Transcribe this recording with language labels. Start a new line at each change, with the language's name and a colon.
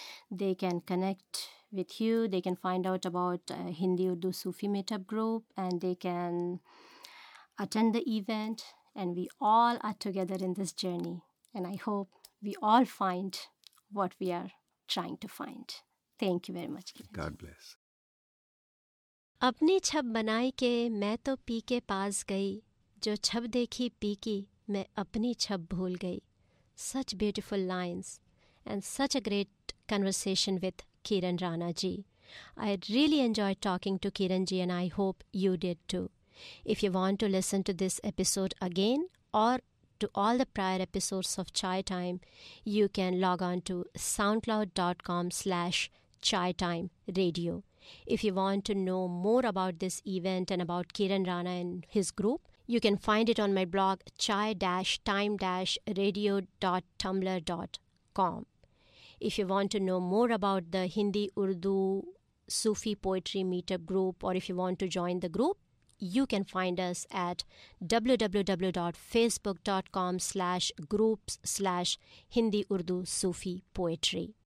English: They can connect with you. They can find out about Hindi Urdu Sufi meetup group, and they can attend the event. And we all are together in this journey. And I hope we all find what we are trying to find. Thank you very much, Kiran. God bless.
Urdu: اپنی چھب بنائی کے میں تو پی کے پاس گئی، جو چھب دیکھی پی کی میں اپنی چھب بھول گئی.
English: Such beautiful lines and such a great conversation with Kiran Rana ji. I really enjoy talking to Kiran ji and I hope you did too. If you want to listen to this episode again or to all the prior episodes of Chai Time, you can log on to soundcloud.com/chaitimeradio. If you want to know more about this event and about Kiran Rana and his group, you can find it on my blog chai-time-radio.tumblr.com. If you want to know more about the Hindi Urdu Sufi Poetry Meetup group, or if you want to join the group, you can find us at www.facebook.com/groups/Hindi Urdu Sufi Poetry.